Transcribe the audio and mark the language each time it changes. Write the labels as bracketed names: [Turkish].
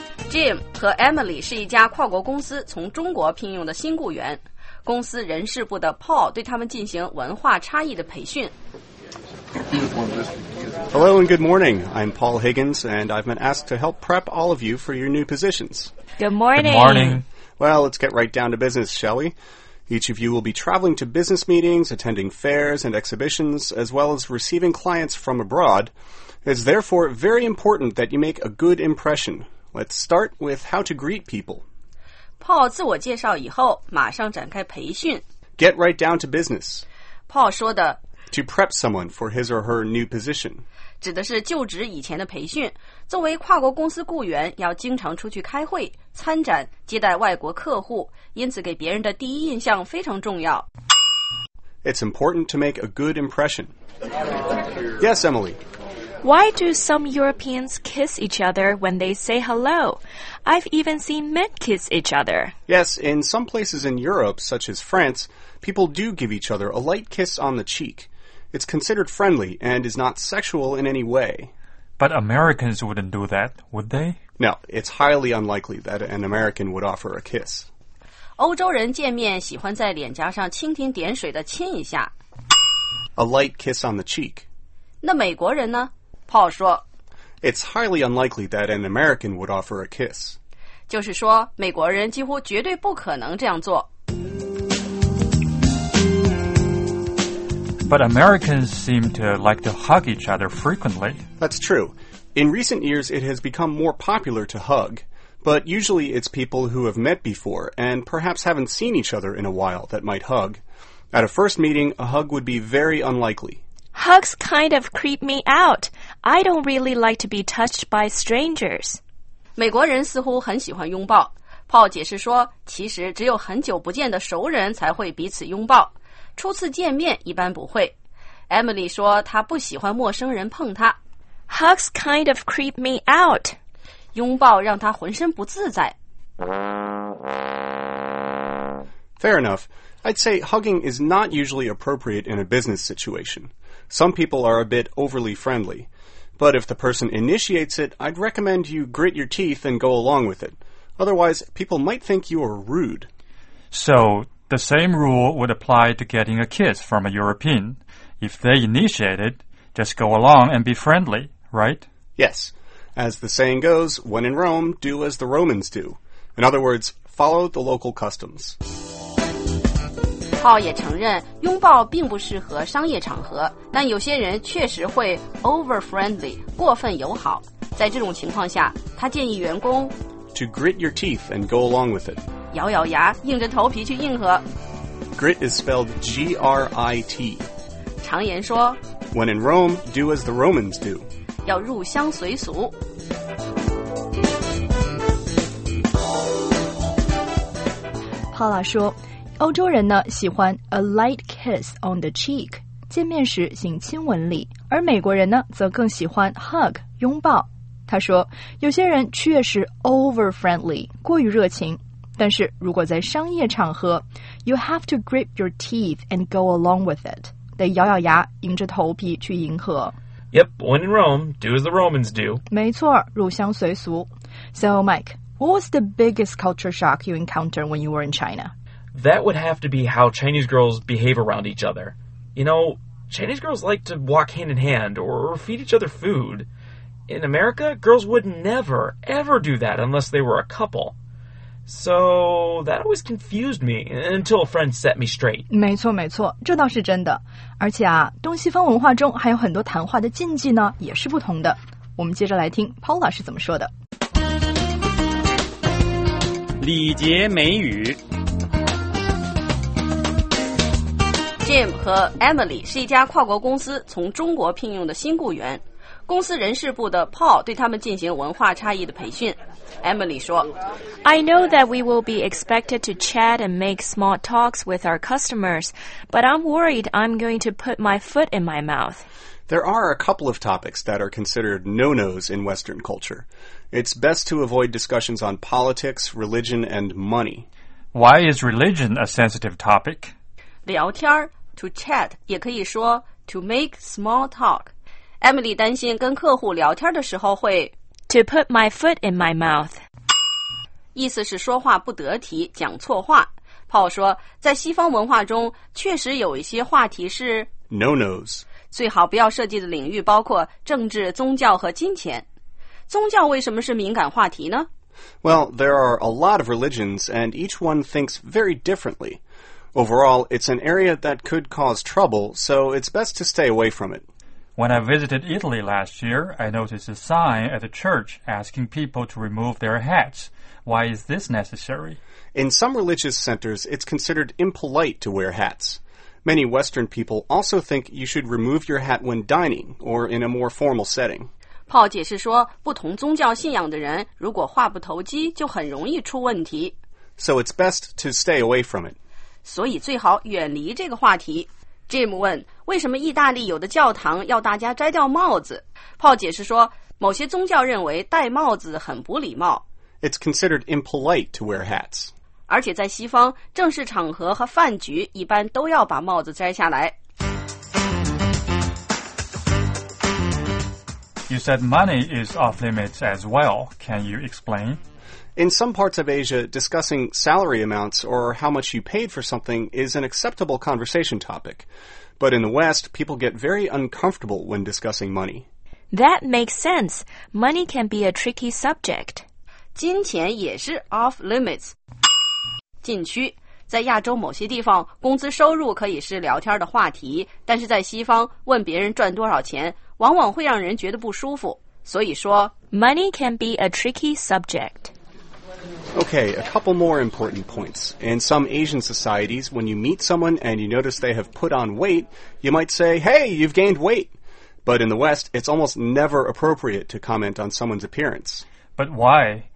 [Chinese] Jim 和 Emily 是一家跨国公司从中国聘用的新雇员。公司人事部的 Paul 对他们进行文化差异的培训。 [English] Hello and good morning. I'm Paul Higgins and I've been asked to help prep all of you for your new positions. Good morning. Good morning. Well, let's get right down to business, shall we? Each of you will be traveling to business meetings, attending fairs and exhibitions, as well as receiving clients from abroad. It's therefore very important that you make a good impression. Let's start with how to greet people. [Chinese] Paul 自我介绍以后，马上展开培训。 [English] Get right down to business. [Chinese] Paul 说的 [English] To prep someone for his or her new position. [Chinese] 指的是就职以前的培训。作为跨国公司雇员，要经常出去开会、参展、接待外国客户，因此给别人的第一印象非常重要。 [English] It's important to make a good impression. Yes, Emily. Why do some Europeans kiss each other when they say hello? I've even seen men kiss each other. Yes, in some places in Europe, such as France, people do give each other a light kiss on the cheek. It's considered friendly and is not sexual in any way. But Americans wouldn't do that, would they? No, it's highly unlikely that an American would offer a kiss. [Chinese] 欧洲人见面喜欢在脸颊上蜻蜓点水地亲一下。 [English] A light kiss on the cheek. [Chinese] 那美国人呢？Paul 说。 [English] It's highly unlikely that an American would offer a kiss. [Chinese] 就是说，美国人几乎绝对不可能这样做。 [English] But Americans seem to like to hug each other frequently. That's true. In recent years, it has become more popular to hug. But usually it's people who have met before and perhaps haven't seen each other in a while that might hug. At a first meeting, a hug would be very unlikely. Hugs kind of creep me out. I don't really like to be touched by strangers. [Chinese] 美国人似乎很喜欢拥抱。Paul 解释说，其实只有很久不见的熟人才会彼此拥抱。初次见面一般不会。Emily 说她不喜欢陌生人碰她。 [English] Hugs kind of creep me out. [Chinese] 拥抱让他浑身不自在。 [English] Fair enough. I'd say hugging is not usually appropriate in a business situation. Some people are a bit overly friendly. But if the person initiates it, I'd recommend you grit your teeth and go along with it. Otherwise, people might think you are rude. So, the same rule would apply to getting a kiss from a European. If they initiate it, just go along and be friendly, right? Yes. As the saying goes, when in Rome, do as the Romans do. In other words, follow the local customs. [Chinese] Paul 也承认拥抱并不适合商业场合，但有些人确实会 [English] over-friendly, [Chinese] 过分友好。在这种情况下，他建议员工 [English] to grit your teeth and go along with it. [Chinese] 咬咬牙，硬着头皮去硬核。 [English] Grit is spelled G-R-I-T. [Chinese] 常言说 [English] When in Rome, do as the Romans do. [Chinese] 要入乡随俗。 Paula 说，欧洲人呢喜欢 [English] a light kiss on the cheek， [Chinese] 见面时行亲吻礼，而美国人呢则更喜欢 hug， 拥抱。他说，有些人确实 [English] over friendly， [Chinese] 过于热情。但是如果在商业场合 ， [English] you have to grit your teeth and go along with it， [Chinese] 得咬咬牙，硬着头皮去迎合。 [English] Yep, when in Rome, do as the Romans do. [Chinese] 没错，入乡随俗。 [English] So, Mike, what was the biggest culture shock you encountered when you were in China? That would have to be how Chinese girls behave around each other. You know, Chinese girls like to walk hand in hand or feed each other food. In America, girls would never, ever do that unless they were a couple. So, that always confused me until a friend set me straight. [Chinese] 没错没错，这倒是真的。而且啊，东西方文化中还有很多谈话的禁忌呢，也是不同的。我们接着来听 Paula 是怎么说的。礼节美语。 Jim 和 Emily 是一家跨国公司从中国聘用的新雇员。公司人事部的 Paul 对他们进行文化差异的培训。 Emily 说 [English] I know that we will be expected to chat and make small talks with our customers, but I'm worried I'm going to put my foot in my mouth. There are a couple of topics that are considered no-nos in Western culture. It's best to avoid discussions on politics, religion, and money. Why is religion a sensitive topic? [Chinese] 聊天 [English] to chat, [Chinese] 也可以说 [English] to make small talk. [Chinese] Emily 担心跟客户聊天的时候会 [English] To put my foot in my mouth [Chinese] 意思是说话不得体讲错话 Paul 说在西方文化中确实有一些话题是 [English] No-nos [Chinese] 最好不要涉及的领域包括政治、宗教和金钱宗教为什么是敏感话题呢 [English] Well, there are a lot of religions and each one thinks very differently Overall, it's an area that could cause trouble so it's best to stay away from it When I visited Italy last year, I noticed a sign at a church asking people to remove their hats. Why is this necessary? In some religious centers, it's considered impolite to wear hats. Many Western people also think you should remove your hat when dining or in a more formal setting. [Chinese] Paul 解释说，不同宗教信仰的人如果话不投机，就很容易出问题。 [English] So it's best to stay away from it. [Chinese] 所以最好远离这个话题。Jim 问，为什么意大利有的教堂要大家摘掉帽子？ Paul 解释说，某些宗教认为戴帽子很不礼貌。 [English] It's considered impolite to wear hats. [Chinese] 而且在西方，正式场合和饭局一般都要把帽子摘下来。 [English] You said money is off limits as well. Can you explain? In some parts of Asia, discussing salary amounts or how much you paid for something is an acceptable conversation topic. But in the West, people get very uncomfortable when discussing money. That makes sense. Money can be a tricky subject. [Chinese] 金钱也是 [English] off limits. [Chinese] 禁区。在亚洲某些地方，工资收入可以是聊天的话题，但是在西方，问别人赚多少钱往往会让人觉得不舒服。所以说 [English] Money can be a tricky subject. Okay, a couple more important points. In some Asian societies, when you meet someone and you notice they have put on weight, you might say, hey, you've gained weight. But in the West, it's almost never appropriate to comment on someone's appearance. But why?